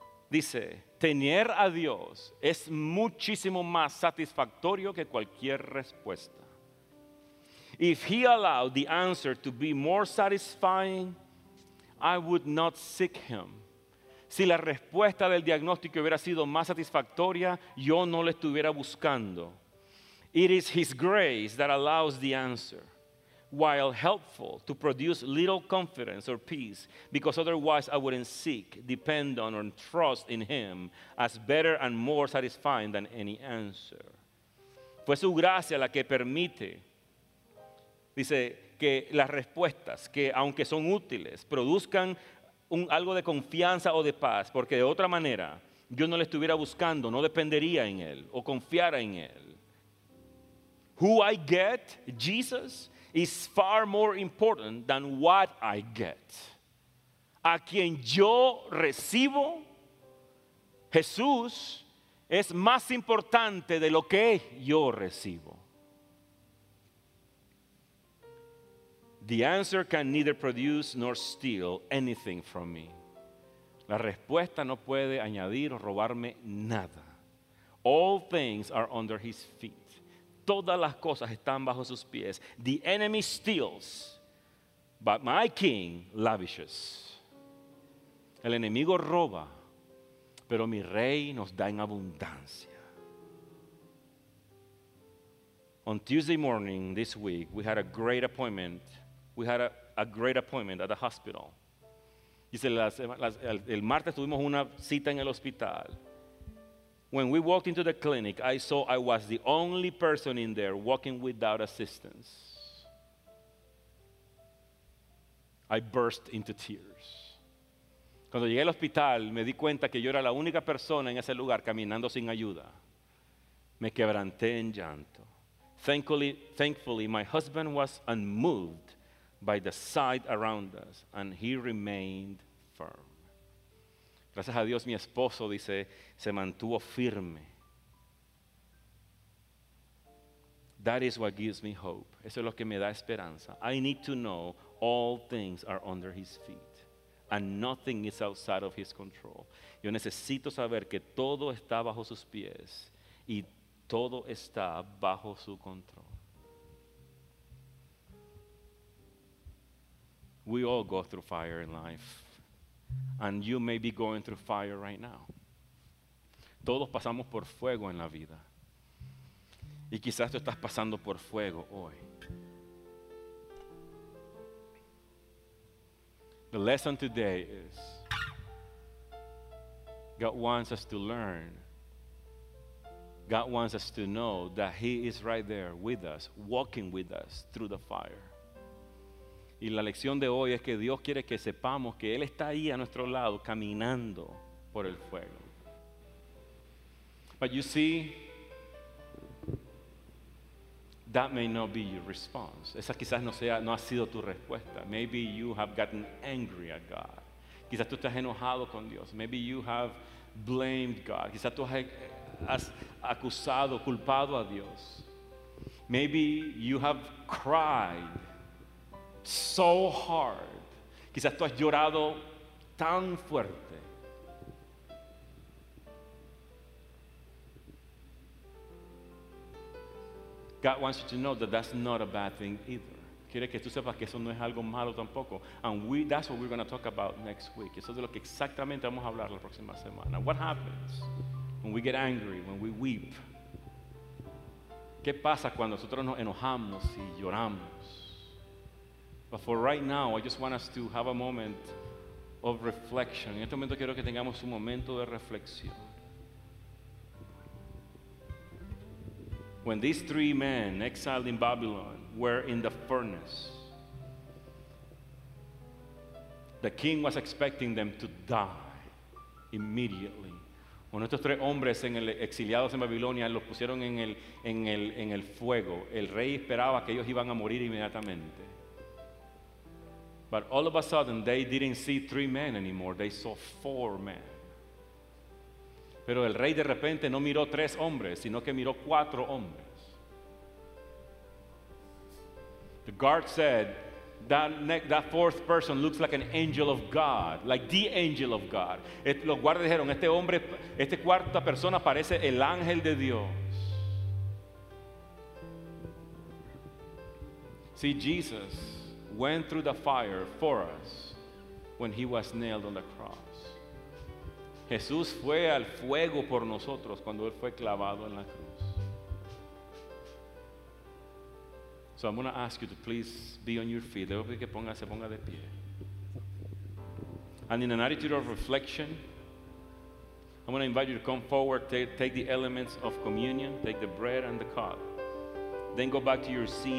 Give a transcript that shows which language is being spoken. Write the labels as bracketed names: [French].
[Spanish] Dice, tener a Dios es muchísimo más satisfactorio que cualquier respuesta. [English] If he allowed the answer to be more satisfying, I would not seek him. [Spanish] Si la respuesta del diagnóstico hubiera sido más satisfactoria, yo no le estuviera buscando. [English] It is his grace that allows the answer, while helpful, to produce little confidence or peace, because otherwise I wouldn't seek, depend on, or trust in him as better and more satisfying than any answer. [Spanish] Fue su gracia la que permite, dice, que las respuestas, que aunque son útiles, produzcan algo de confianza o de paz, porque de otra manera yo no le estuviera buscando, no dependería en él o confiara en él. [English] Who I get, Jesus, is far more important than what I get. [Spanish] A quien yo recibo, Jesús, es más importante de lo que yo recibo. [English] The answer can neither produce nor steal anything from me. [Spanish] La respuesta no puede añadir o robarme nada. [English] All things are under his feet. [Spanish] Todas las cosas están bajo sus pies. [English] The enemy steals, but my king lavishes. [Spanish] El enemigo roba, pero mi rey nos da en abundancia. [English] On Tuesday morning this week, we had a great appointment. We had a great appointment at the hospital. [Spanish] Dice, el martes tuvimos una cita en el hospital. [English] When we walked into the clinic, I saw I was the only person in there walking without assistance. I burst into tears. [Spanish] Cuando llegué al hospital, me di cuenta que yo era la única persona en ese lugar caminando sin ayuda. Me quebranté en llanto. [English] Thankfully, my husband was unmoved by the sight around us, and he remained firm. [Spanish] Gracias a Dios, mi esposo, dice, se mantuvo firme. [English] That is what gives me hope. [Spanish] Eso es lo que me da esperanza. [English] I need to know all things are under his feet, and nothing is outside of his control. [Spanish] Yo necesito saber que todo está bajo sus pies, y todo está bajo su control. [English] We all go through fire in life. And you may be going through fire right now. [Spanish] Todos pasamos por fuego en la vida. Y quizás tú estás pasando por fuego hoy. [English] The lesson today is, God wants us to learn. God wants us to know that he is right there with us, walking with us through the fire. [Spanish] Y la lección de hoy es que Dios quiere que sepamos que Él está ahí a nuestro lado caminando por el fuego. [English] But you see, that may not be your response. [Spanish] Esa quizás no ha sido tu respuesta. [English] Maybe you have gotten angry at God. [Spanish] Quizás tú estás enojado con Dios. [English] Maybe you have blamed God. [Spanish] Quizás tú has acusado, culpado a Dios. [English] Maybe you have cried so hard. [Spanish] Quizás tú has llorado tan fuerte. [English] God wants you to know that that's not a bad thing either. [Spanish] Quiere que tú sepas que eso no es algo malo tampoco. [English] And that's what we're going to talk about next week. [Spanish] Eso es de lo que exactamente vamos a hablar la próxima semana. [English] What happens when we get angry, when we weep, [Spanish] ¿Qué pasa cuando nosotros nos enojamos y lloramos? [English] But for right now, I just want us to have a moment of reflection. [Spanish] En este momento quiero que tengamos un momento de reflexión. [English] When these three men exiled in Babylon were in the furnace, the king was expecting them to die immediately. [Spanish] Cuando estos tres hombres exiliados en Babilonia los pusieron en el fuego, el rey esperaba que ellos iban a morir inmediatamente. [English] But all of a sudden, they didn't see three men anymore. They saw four men. [Spanish] Pero el rey de repente no miró tres hombres, sino que miró cuatro hombres. [English] The guard said, that fourth person looks like an angel of God, like the angel of God. [Spanish] Los guardias dijeron, este hombre, esta cuarta persona parece el ángel de Dios. [English] See, Jesus went through the fire for us when he was nailed on the cross. [Spanish] Jesús fue al fuego por nosotros cuando él fue clavado en la cruz. [English] So I'm going to ask you to please be on your feet. [Spanish] Debo que se ponga de pie. [English] And in an attitude of reflection, I'm going to invite you to come forward, take the elements of communion, take the bread and the cup. Then go back to your seat.